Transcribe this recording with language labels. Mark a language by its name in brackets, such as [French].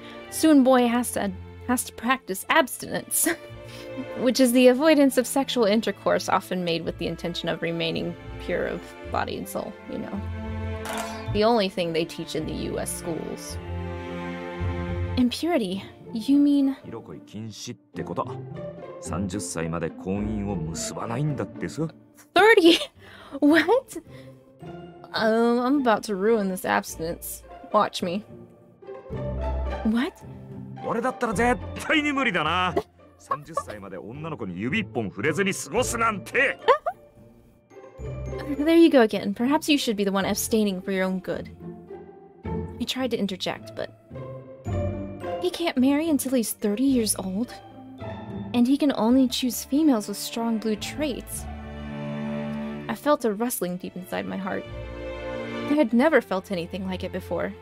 [English] Soon boy has to practice abstinence, which is the avoidance of sexual intercourse often made with the intention of remaining pure of body and soul, you know. The only thing they teach in the US schools. Impurity, you mean? [Japanese] 色恋禁止ってこと。 30歳まで婚姻を結ばないんだってさ。 [English] 30? What? I'm about to ruin this abstinence. Watch me. What? [Japanese] 俺だったら絶対に無理だな。30歳まで女の子に指一本触れずに過ごすなんて。 [English] There you go again. Perhaps you should be the one abstaining for your own good. He tried to interject, but... He can't marry until he's 30 years old. And he can only choose females with strong blue traits. I felt a rustling deep inside my heart. I had never felt anything like it before.